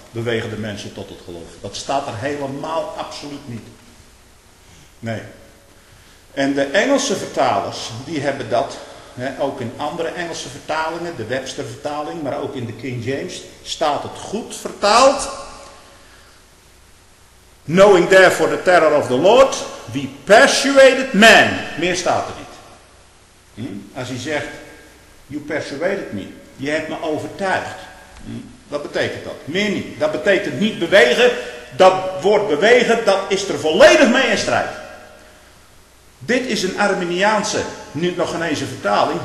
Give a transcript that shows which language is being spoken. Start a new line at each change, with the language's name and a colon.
Dutch: Bewegen de mensen tot het geloof. Dat staat er helemaal absoluut niet. Nee. En de Engelse vertalers, die hebben dat, hè, ook in andere Engelse vertalingen, de Webster-vertaling, maar ook in de King James, staat het goed vertaald.
English: Knowing therefore the terror of the Lord, we persuaded man.
Dutch: Meer staat er niet. Als hij zegt,
English: you persuaded me,
Dutch: je hebt me overtuigd. Wat betekent dat? Meer niet. Dat betekent niet bewegen. Dat woord bewegen, dat is er volledig mee in strijd. Dit is een Arminiaanse, nu nog geen eens een vertaling.